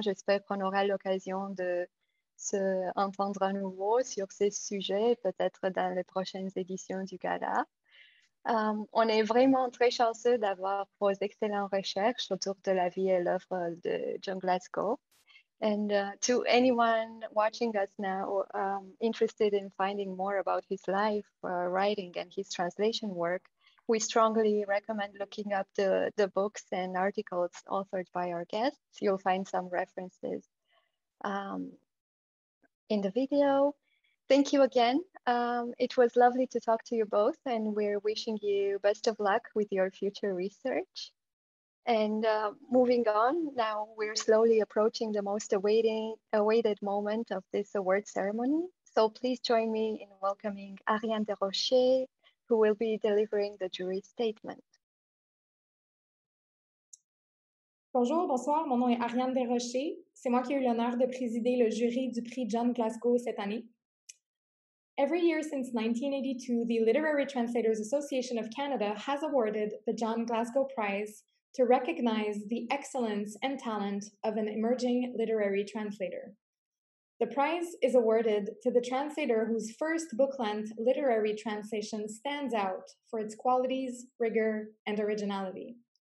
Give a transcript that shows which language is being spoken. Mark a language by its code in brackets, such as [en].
[fr] J'espère qu'on aura l'occasion de se entendre à nouveau sur ces sujets, peut-être dans les prochaines éditions du Gala. On est vraiment très chanceux d'avoir vos excellentes recherches autour de la vie et l'œuvre de John Glassco. [en] And to anyone watching us now, interested in finding more about his life, writing, and his translation work, we strongly recommend looking up the books and articles authored by our guests. You'll find some references in the video. Thank you again. It was lovely to talk to you both, and we're wishing you best of luck with your future research. And moving on, now we're slowly approaching the most awaited moment of this award ceremony. So please join me in welcoming Ariane Desrochers, who will be delivering the jury statement. [fr] Bonjour, bonsoir, mon nom est Ariane Desrochers. C'est moi qui ai eu l'honneur de présider le jury du Prix John Glassco cette année. [en] Every year since 1982, the Literary Translators Association of Canada has awarded the John Glassco Prize to recognize the excellence and talent of an emerging literary translator. The prize is awarded to the translator whose first book-length literary translation stands out for its qualities, rigor, and originality.